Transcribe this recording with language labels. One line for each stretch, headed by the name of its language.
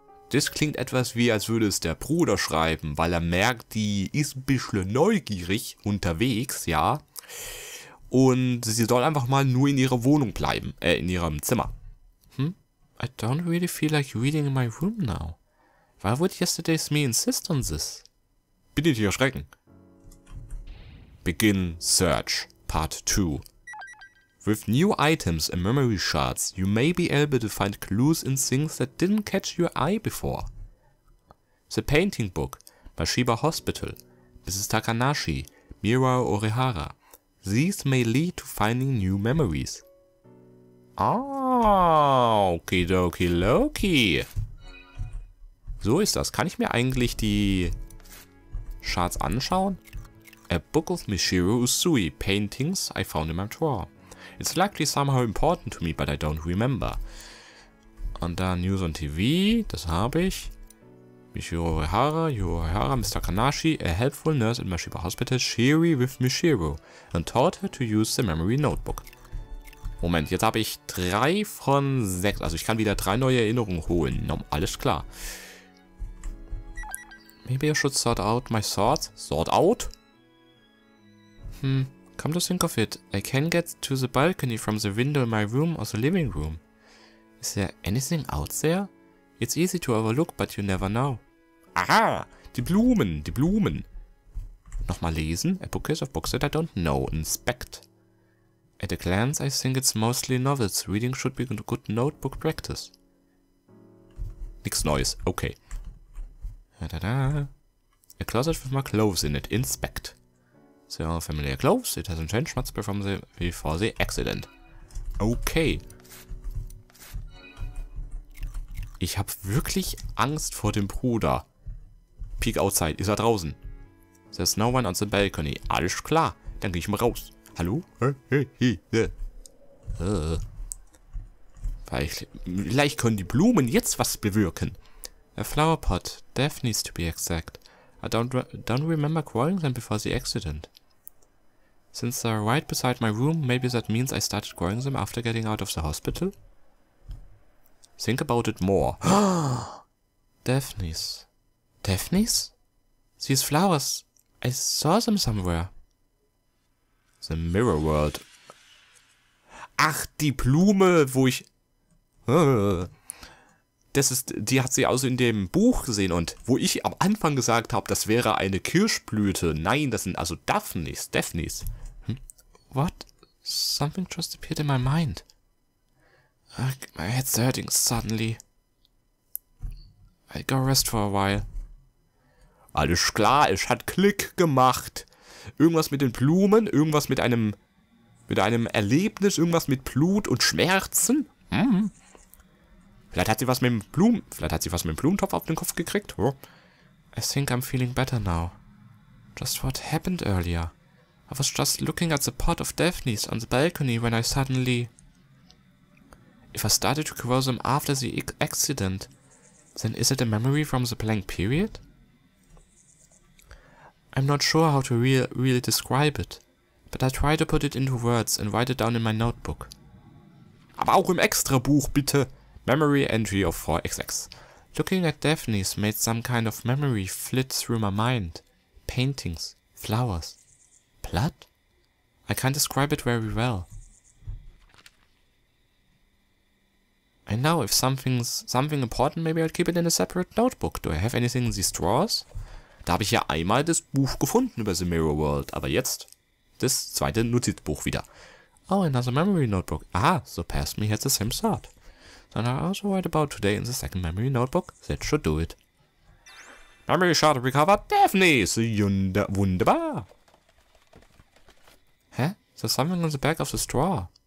German: Das klingt etwas wie, als würde es der Bruder schreiben, weil er merkt, die ist ein bisschen neugierig unterwegs, ja. Und sie soll einfach mal nur in ihrer Wohnung bleiben, in ihrem Zimmer.
English: I don't really feel like reading in my room now. Why would yesterday's me insist on this?
German: Bitte nicht erschrecken.
English: Begin search, part 2. With new items and memory shards, you may be able to find clues in things that didn't catch your eye before. The painting book, Mashiba Hospital, Mrs. Takanashi, Mira Orihara. These may lead to finding new memories.
German: Oh, okidoki loki. So ist das. Kann ich mir eigentlich die Shards anschauen?
English: A book of Mishiro Usui, paintings I found in my drawer. It's likely somehow important to me, but I don't remember.
German: Und da
English: News on TV,
German: das habe ich. Mishiro Ohara, Yohara, Mr.
English: Kanashi, a helpful nurse in Mashiba Hospital, Shiri with Mishiro, and taught her to use the memory notebook.
German: Moment, jetzt habe ich 3 von 6, also ich kann wieder 3 neue Erinnerungen holen. No, alles klar.
English: Maybe I should sort out my thoughts. Sort out? Come to think of it, I can get to the balcony from the window in my room or the living room. Is there anything out there? It's easy to overlook, but you never know.
German: Aha! Die Blumen! Nochmal lesen.
English: A bookcase of books that I don't know. Inspect. At a glance, I think it's mostly novels. Reading should be a good notebook practice.
German: Nix Neues. Okay. Da-da-da.
English: A closet with my clothes in it. Inspect. They are familiar clothes. It hasn't changed much before the accident. Okay.
German: Ich habe wirklich Angst vor dem Bruder.
English: Peek outside.
German: Ist er draußen?
English: There's no one on the balcony.
German: Alles klar. Dann gehe ich mal raus. Hallo? Vielleicht können die Blumen jetzt was bewirken.
English: A flower pot. Daphne's to be exact. I don't remember growing them before the accident. Since they're right beside my room, maybe that means I started growing them after getting out of the hospital? Think about it more. Daphne's. Daphne's? These flowers. I saw them somewhere. The mirror world.
German: Ach, die Blume, wo ich... Das ist, die hat sie also in dem Buch gesehen und wo ich am Anfang gesagt habe, das wäre eine Kirschblüte. Nein, das sind also Daphne's, Daphne's.
English: What? Something just appeared in my mind. My head's hurting suddenly. I'll go rest for a while.
German: Alles klar, es hat Klick gemacht. Irgendwas mit den Blumen, irgendwas mit einem Erlebnis, irgendwas mit Blut und Schmerzen. Vielleicht hat sie was mit dem Blumentopf auf den Kopf gekriegt. Oh.
English: I think I'm feeling better now. Just what happened earlier. I was just looking at the pot of Daphne's on the balcony when I suddenly... If I started to grow them after the accident, then is it a memory from the blank period? I'm not sure how to really describe it, but I try to put it into words and write it down in my notebook.
German: Aber auch im Extrabuch, bitte!
English: Memory entry of 4xx. Looking at Daphne's made some kind of memory flit through my mind. Paintings. Flowers. Blood? I can't describe it very well. I know if something important, maybe I'll keep it in a separate notebook. Do I have anything in these drawers?
German: Da habe ich ja einmal das Buch gefunden über the Mirror World, aber jetzt das zweite Notizbuch wieder.
English: Oh, another memory notebook. So past me had the same thought. Then I also write about today in the second memory notebook. That should do it. Memory shard recovered. Daphne's. Wunderbar. Hä? There's something on the back of the straw.